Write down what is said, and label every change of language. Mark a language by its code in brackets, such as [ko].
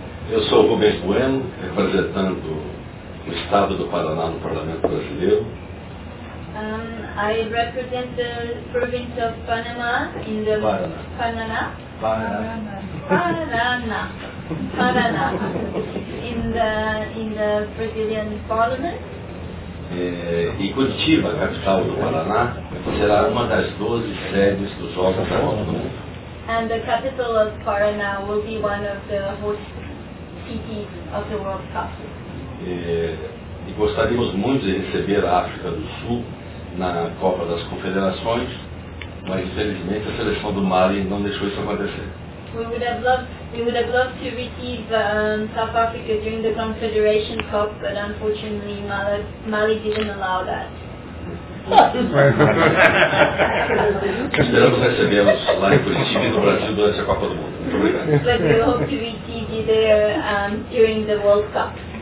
[pt] Eu sou o Rubens Bueno, representando o Estado do Paraná no Parlamento Brasileiro. [en] I represent the province of Panama in the Paraná. In the Brazilian Parliament. [pt] E Curitiba, capital do Paraná, será uma das 12 sedes dos Jogos da Copa do Mundo. [en] And the capital of Paraná will be one of the host cities of the World Cup. [pt] E gostaríamos muito de receber a África do Sul na Copa das Confederações, mas infelizmente a seleção do Mali não deixou isso acontecer. [en] We would have loved to receive South Africa during the Confederation Cup, but unfortunately Mali didn't allow that. [pt] Esperamos recebê-los lá em Curitiba e no Brasil durante a Copa do Mundo. [en] But we hope to receive you there during the World Cup.